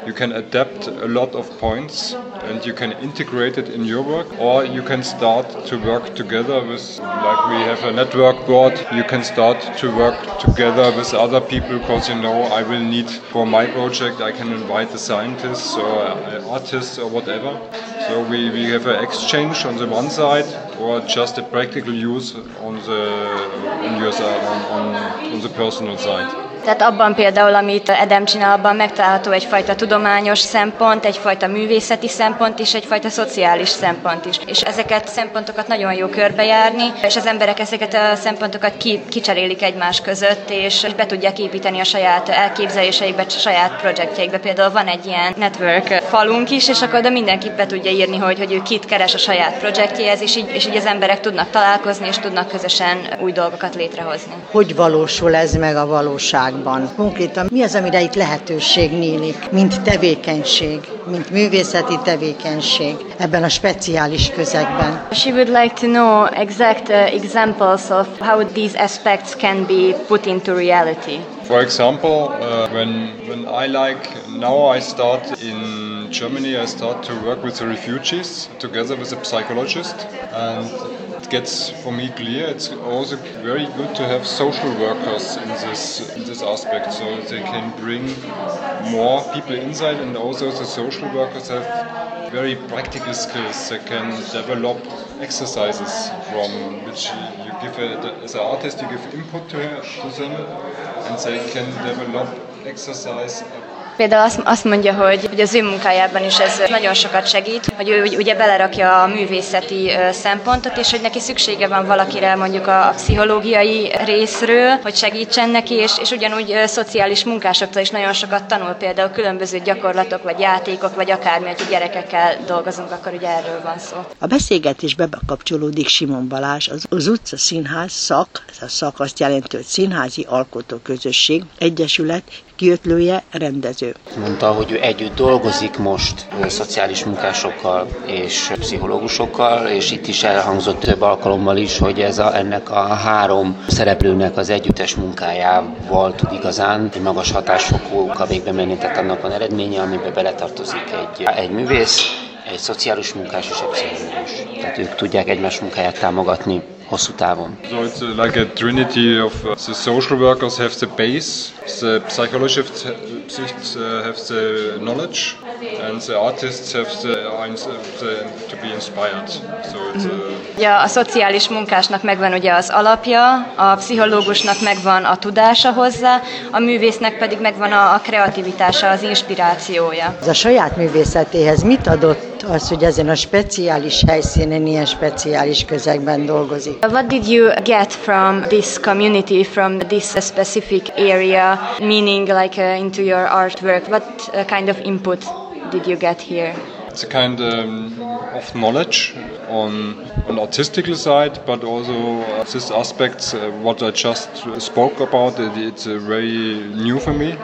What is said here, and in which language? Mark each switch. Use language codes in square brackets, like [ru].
[en] You can adapt a lot of points, and you can integrate it in your work, or you can start to work together with, like we have a network board, you can start to work together with other people, because you know, I will need for my project, I can invite a scientist or an artist or whatever. So we have an exchange on the one side, or just a practical use on the personal side. [hu] Tehát abban például, amit Adam csinál, abban megtalálható egyfajta tudományos szempont, egyfajta művészeti szempont és egyfajta szociális szempont is. És ezeket a szempontokat nagyon jó körbejárni, és az emberek ezeket a szempontokat kicserélik egymás között, és be tudják építeni a saját elképzeléseikbe, a saját projektjeikbe. Például van egy ilyen network falunk is, és akkor de mindenki be tudja írni, hogy ő kit keres a saját projektjéhez, és így az emberek tudnak találkozni, és tudnak közösen új dolgokat létrehozni. Hogy valósul ez meg a valóság? Konkrétan mi az, amire itt lehetőség nyílik, mint tevékenység, mint művészeti tevékenység ebben a speciális közegben? [en] She would like to know exact examples of how these aspects can be put into reality. For example, when I like, now I start in Germany, I start to work with the refugees together with a psychologist, and it gets for me clear, it's also very good to have social workers in this aspect, so they can bring more people inside, and also the social workers have very practical skills, they can develop exercises from which you give as an artist, you give input to them, and they can develop exercise. [hu] Például azt mondja, hogy az ő munkájában is ez nagyon sokat segít, hogy ő ugye belerakja a művészeti szempontot, és hogy neki szüksége van valakire mondjuk a pszichológiai részről, hogy segítsen neki, és ugyanúgy szociális munkásoktól is nagyon sokat tanul, például különböző gyakorlatok, vagy játékok, vagy akármi, hogy gyerekekkel dolgozunk, akkor ugye erről van szó. A beszélgetésbe bekapcsolódik Simon Balázs, az utca színház szak, ez a szak azt jelenti, hogy színházi alkotóközösség, egyesület, kiötlője, rendező. Mondta, hogy ő együtt dolgozik most szociális munkásokkal és pszichológusokkal, és itt is elhangzott több alkalommal is, hogy ennek a három szereplőnek az együttes munkájával tud igazán egy magas hatásfokú végbe menni, tehát annak van eredménye, amiben beletartozik egy művész, egy szociális munkás és egy pszichológus. Tehát ők tudják egymás munkáját támogatni hosszú távon. [en] So it's like a trinity of the social workers have the base, the psychologists have the knowledge, and the artists have the to be inspired. So it's [hu] a szociális munkásnak megvan ugye az alapja, a pszichológusnak megvan a tudása hozzá, a művésznek pedig megvan a kreativitása, az inspirációja. Ez a saját művészetéhez mit adott az, hogy ezen a speciális helyszínen, ilyen speciális közegben dolgozik? [en] What did you get from this community, from this specific area, meaning like into your artwork? What kind of input did you get here? It's a kind of knowledge on the artistical side, but also this aspect, what I just spoke about, it's very new for me.